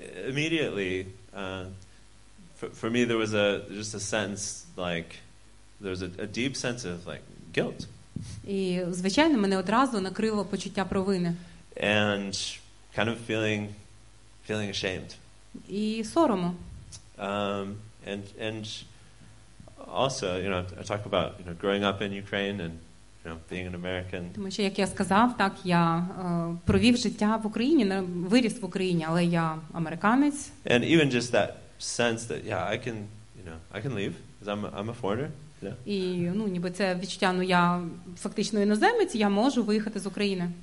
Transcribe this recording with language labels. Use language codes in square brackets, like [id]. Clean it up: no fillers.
[en] Immediately for me there was a sense there was a deep sense of guilt. [uk] І звичайно, мене одразу накрило почуття провини. [en] And kind of feeling ashamed. [uk] І сорому. [en] I talk about growing up in Ukraine and being an American. [uk] Тому що, як я сказав, так, я провів життя в Україні, виріс в Україні, але я американець. [en] And even just that sense that I can, I can leave because I'm a foreigner. [uk] І, ніби це відчуття, я фактично іноземець, я можу виїхати з України.